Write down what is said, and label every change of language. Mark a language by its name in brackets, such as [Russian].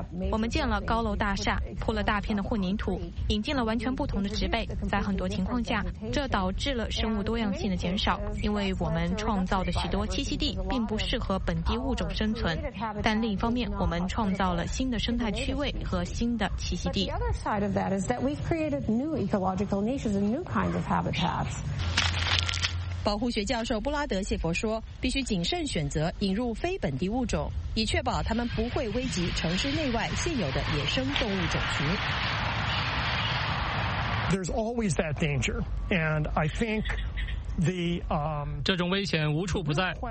[Chinese] 我们建了高楼大厦，铺了大片的混凝土，引进了完全不同的植被，在很多情况下这导致了生物多样性的减少，因为我们创造的许多栖息地并不适合本地物种生存，但另一方面我们创造了新的生态区位和新的栖息地。 [English] Side of that is that we've created new ecological niches and new kinds of habitats. [Chinese] 保护学教授布拉德·谢佛说，必须谨慎选择引入非本地物种，以确保它们不会危及城市内外现有的野生动物种群。 [English] There's always that danger, and I think [Chinese] 这种危险无处不在。